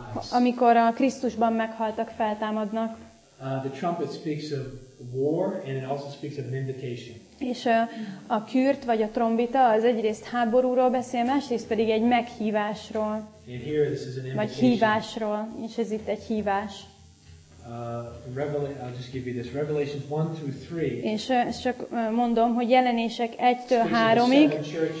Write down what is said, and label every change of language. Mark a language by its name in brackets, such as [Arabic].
[Hungarian] Amikor a Krisztusban meghaltak, feltámadnak. [English] The trumpet speaks of war, and it also speaks of vindication. [Hungarian] És a kürt, vagy a trombita, az egyrészt háborúról beszél, másrészt pedig egy meghívásról. [English] And here, this is an invitation. [Hungarian] Vagy hívásról, és ez itt egy hívás. [English] I'll just give you this. Revelations 1 through 3. [Hungarian] És csak mondom, hogy Jelenések 1-től 3-ig.